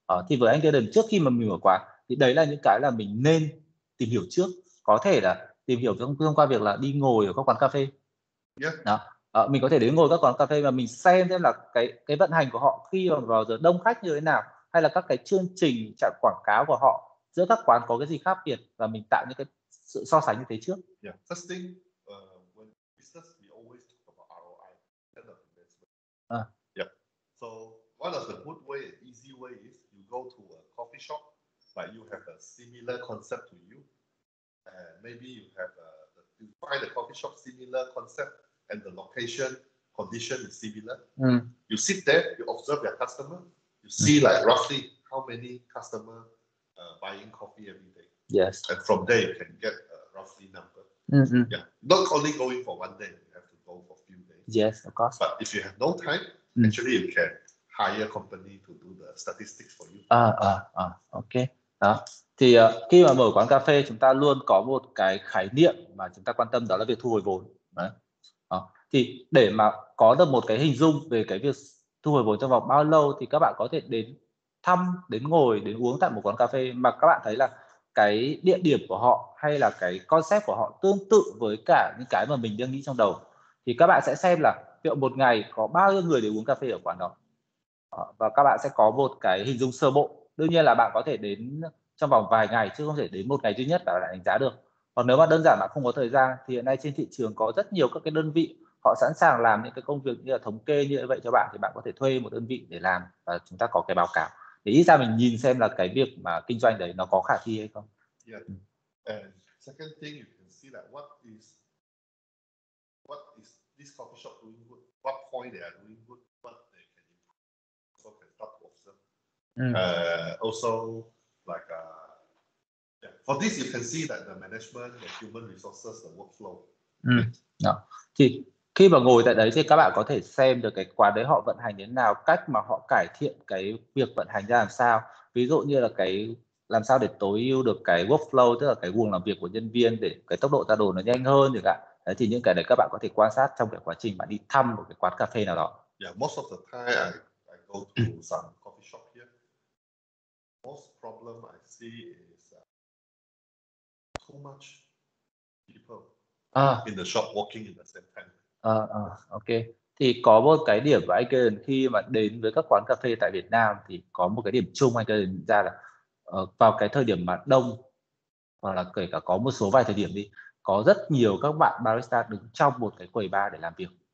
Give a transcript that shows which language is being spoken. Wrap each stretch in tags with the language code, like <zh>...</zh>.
<vi>Thì với anh Kaden, trước khi mà mình mở quán thì đấy là những cái là mình nên tìm hiểu trước, có thể là tìm hiểu thông qua việc là đi ngồi ở các quán cà phê. Mình có thể đến ngồi các quán cà phê và mình xem là cái vận hành của họ khi mà vào giờ đông khách như thế nào, hay là các cái chương trình chạy quảng cáo của họ giữa các quán có cái gì khác biệt, và mình tạo những cái sự so sánh như thế trước.</vi> <en>Yeah, first thing, when business, we always talk about ROI, kind of investment. So one of the good way, easy way is you go to a coffee shop, but you have a similar concept to you, and maybe you have you find a coffee shop similar concept and the location condition is similar. You sit there, you observe your customer. You see like roughly how many customer buying coffee every day. Yes. And from there, you can get a roughly number. Mm-hmm. Yeah. Not only going for one day, you have to go for a few days. Yes, of course. But if you have no time, actually you can hire a company to do the statistics for you. Okay.</en> <vi>Đó. Thì khi mà mở quán cà phê, chúng ta luôn có một cái khái niệm mà chúng ta quan tâm, đó là việc thu hồi vốn. Đó. Thì để mà có được một cái hình dung về cái việc thu hồi vốn trong vòng bao lâu, thì các bạn có thể đến thăm, đến ngồi, đến uống tại một quán cà phê mà các bạn thấy là cái địa điểm của họ hay là cái concept của họ tương tự với cả những cái mà mình đang nghĩ trong đầu, thì các bạn sẽ xem là liệu một ngày có bao nhiêu người đến uống cà phê ở quán đó, và các bạn sẽ có một cái hình dung sơ bộ. Đương nhiên là bạn có thể đến trong vòng vài ngày chứ không thể đến một ngày duy nhất và lại đánh giá được. Còn nếu mà đơn giản bạn không có thời gian, thì hiện nay trên thị trường có rất nhiều các cái đơn vị họ sẵn sàng làm những cái công việc như là thống kê như vậy cho bạn, thì bạn có thể thuê một đơn vị để làm và chúng ta có cái báo cáo để ít ra mình nhìn xem là cái việc mà kinh doanh đấy nó có khả thi hay không.</vi> <en>Yeah. And second thing you can see that what is this coffee shop doing good, what point they are doing good, what they can improve. So can start to observe. Also like for this you can see that the management, the human resources, the workflow.</en> <vi>Khi mà ngồi tại đấy thì các bạn có thể xem được cái quán đấy họ vận hành thế nào, cách mà họ cải thiện cái việc vận hành ra làm sao. Ví dụ như là cái làm sao để tối ưu được cái workflow, tức là cái nguồn làm việc của nhân viên, để cái tốc độ ra đồ nó nhanh hơn được ạ. Đấy, thì những cái đấy các bạn có thể quan sát trong cái quá trình bạn đi thăm một cái quán cà phê nào đó.</vi> <en>Yeah, most of the time I go go to some coffee shop here, most problem I see is too much people in the shop walking in the same time. Okay.</en> <vi>Thì có một cái điểm mà anh Kevin khi mà đến với các quán cà phê tại Việt Nam thì có một cái điểm chung anh Kevin ra là vào cái thời điểm mà đông, hoặc là kể cả có một số vài thời điểm đi, có rất nhiều các bạn barista đứng trong một cái quầy bar để làm việc.</vi>